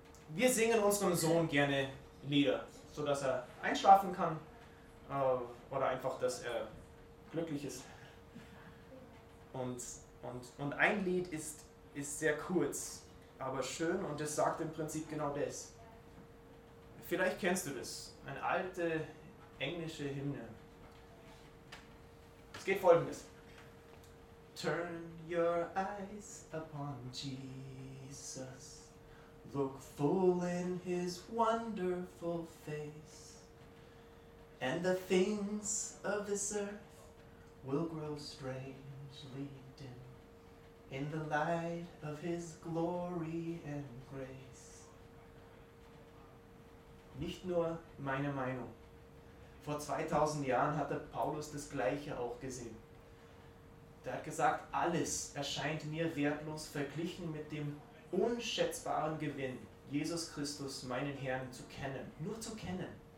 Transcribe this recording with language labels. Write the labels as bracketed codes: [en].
[de] Wir singen unserem Sohn gerne Lieder, sodass er einschlafen kann oder einfach, dass er glücklich ist. Und ein Lied ist sehr kurz, aber schön und es sagt im Prinzip genau das. Vielleicht kennst du das, eine alte englische Hymne. Es geht folgendes. [en] Turn your eyes upon Jesus, look full in his wonderful face, and the things of this earth will grow strangely dim in the light of his glory and grace. [de] Nicht nur meine Meinung. Vor 2000 Jahren hatte Paulus das Gleiche auch gesehen. Der hat gesagt, alles erscheint mir wertlos verglichen mit dem unschätzbaren Gewinn, Jesus Christus, meinen Herrn, zu kennen. Nur zu kennen.